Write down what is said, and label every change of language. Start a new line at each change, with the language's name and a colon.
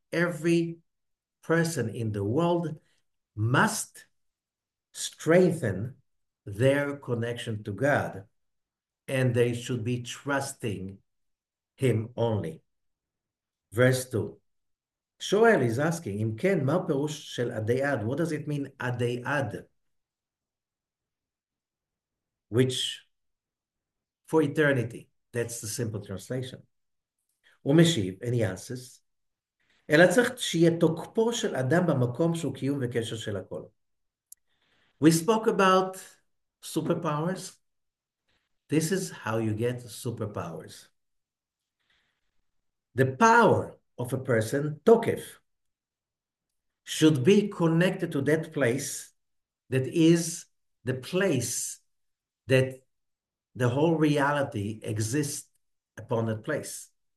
English: Every person in the world must strengthen their connection to God, and they should be trusting Him only. Verse 2. Shoel is asking,
Hebrew: Im ken ma perush shel adei ad?
English: What does it mean, adei ad? Which, for eternity. That's the simple translation.
Hebrew: Umeshiv,
English: and he answers,
Hebrew: אלא צריך שיהיה תוקפו של אדם במקום שהוא קיום וקשר של הכל.
English: We spoke about superpowers. This is how you get superpowers. The power of a person, tokef, should be connected to that place that is the place that the whole reality exists upon that place.